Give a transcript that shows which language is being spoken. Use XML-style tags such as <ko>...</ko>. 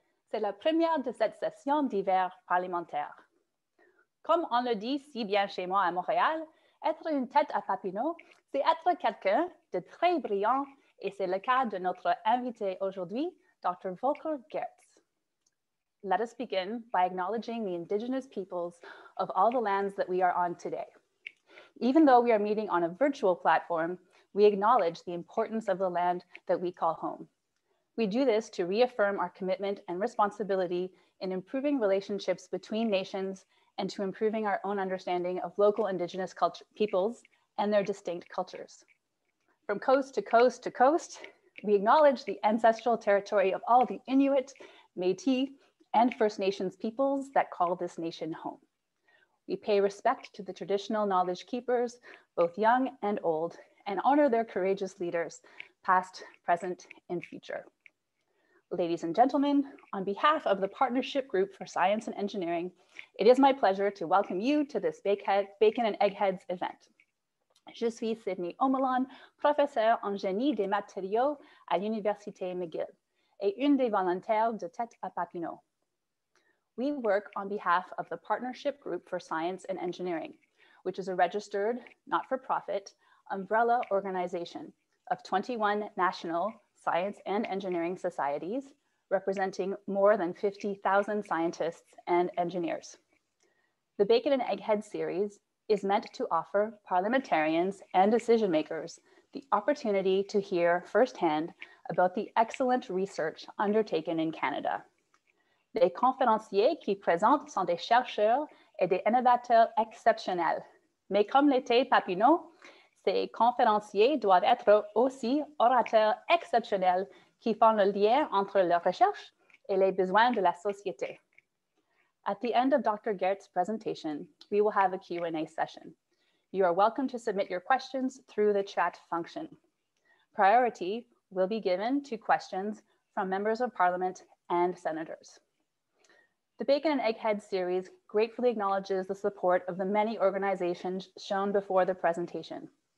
<fr>C'est la première de cette session d'hiver parlementaire. Comme on le dit si bien chez moi à Montréal, être une tête à papineau, c'est être quelqu'un de très brillant et c'est le cas de notre invité aujourd'hui, Dr. Volker Gerdts.</fr> <en>Let us begin by acknowledging the Indigenous peoples of all the lands that we are on today. Even though we are meeting on a virtual platform, we acknowledge the importance of the land that we call home. We do this to reaffirm our commitment and responsibility in improving relationships between nations and to improving our own understanding of local Indigenous peoples and their distinct cultures. From coast to coast to coast, we acknowledge the ancestral territory of all the Inuit, Métis, and First Nations peoples that call this nation home. We pay respect to the traditional knowledge keepers, both young and old, and honor their courageous leaders, past, present, and future. Ladies and gentlemen, on behalf of the Partnership Group for Science and Engineering, it is my pleasure to welcome you to this Bacon and Eggheads event.</en> <fr>Je suis Sydney O'Malon, professeur en génie des matériaux à l'Université McGill, et une des volontaires de Tête à Papineau.</fr> <en>We work on behalf of the Partnership Group for Science and Engineering, which is a registered, not-for-profit, umbrella organization of 21 national science and engineering societies, representing more than 50,000 scientists and engineers. The Bacon and Egghead series is meant to offer parliamentarians and decision makers the opportunity to hear firsthand about the excellent research undertaken in Canada.</en> <fr>Les conférenciers qui présentent sont des chercheurs et des innovateurs exceptionnels. Mais comme l'était Papineau, ces conférenciers doivent être aussi orateurs exceptionnels qui font le lien entre leur recherche et les besoins de la société.</fr> <en>At the end of Dr. Gerdts' presentation, we will have a Q&A session. You are welcome to submit your questions through the chat function. Priority will be given to questions from members of Parliament and senators. The Bacon and Egghead series gratefully acknowledges the support of the many organizations shown before the presentation.</en>